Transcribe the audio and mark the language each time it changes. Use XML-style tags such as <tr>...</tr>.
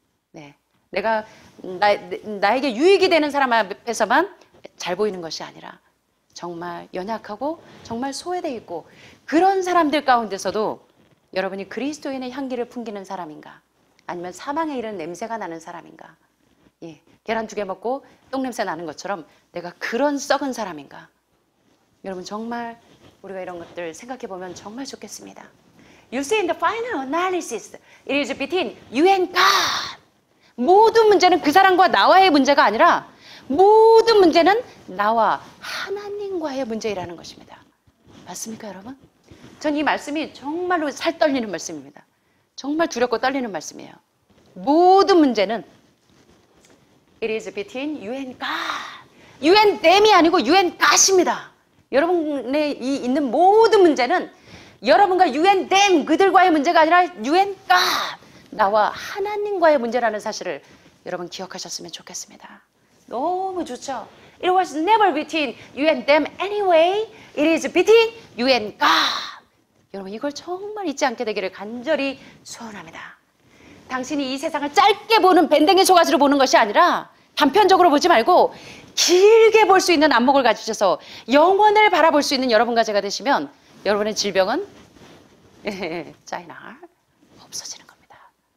<ko>네, 내가 나에게 유익이 되는 사람 앞에서만 잘 보이는 것이 아니라 정말 연약하고 정말 소외되어 있고 그런 사람들 가운데서도 여러분이 그리스도인의 향기를 풍기는 사람인가 아니면 사망에 이른 냄새가 나는 사람인가, 예, 계란 두 개 먹고 똥냄새 나는 것처럼 내가 그런 썩은 사람인가. 여러분 정말 우리가 이런 것들 생각해 보면 정말 좋겠습니다.</ko> <en>You see in the final analysis, it is between you and God.</en> <ko>모든 문제는 그 사람과 나와의 문제가 아니라 모든 문제는 나와 하나님과의 문제라는 것입니다. 맞습니까 여러분? 전 이 말씀이 정말로 살 떨리는 말씀입니다. 정말 두렵고 떨리는 말씀이에요. 모든 문제는</ko> <en>It is between you and God. You and them</en> <ko>이 아니고</ko> <en>you and God입니다.</en> <ko>여러분의 이 있는 모든 문제는 여러분과 UN 댐 그들과의 문제가 아니라 UN 가 나와 하나님과의 문제라는 사실을 여러분 기억하셨으면 좋겠습니다. 너무 좋죠?</ko> <en>It was never between you and them anyway. It is between you and God.</en> <ko>여러분 이걸 정말 잊지 않게 되기를 간절히 소원합니다. 당신이 이 세상을 짧게 보는 밴댕이 소가지로 보는 것이 아니라 단편적으로 보지 말고 길게 볼 수 있는 안목을 가지셔서 영원을 바라볼 수 있는 여러분과 제가 되시면 여러분의 질병은 짜이나 없어지는 겁니다.</ko>